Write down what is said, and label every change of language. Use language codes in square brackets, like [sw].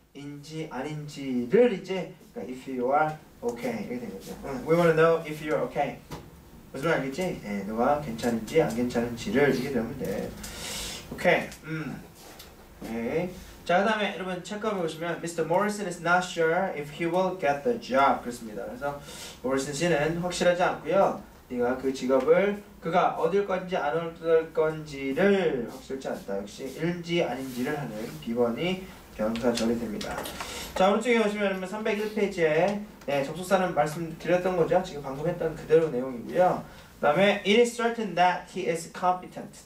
[ko] 인지 아닌지를 이제 그러니까 [en] if you are okay [ko] 이렇게 된 거죠. [en] We want to know if you're okay. [ko] 무슨 말이겠지? 네, 너가 괜찮은지 안 괜찮은지를 이렇게 되면 돼. 오케이. 네. 자, 그다음에 여러분 체크해 보시면 Mr. [en] Morrison is not sure if he will get the job. [ko] 그렇습니다. 그래서 Morrison 씨는 확실하지 않고요. 네가 그 직업을 그가 얻을 건지 안 얻을 건지를 확실치 않다. 역시 인지 아닌지를 하는 비번이 명사절이 됩니다. 자, 오른쪽에 보시면 301페이지에 네, 접속사는 말씀드렸던 거죠. 지금 방금 했던 그대로 내용이고요. 그 다음에 [en] It is certain that he is competent.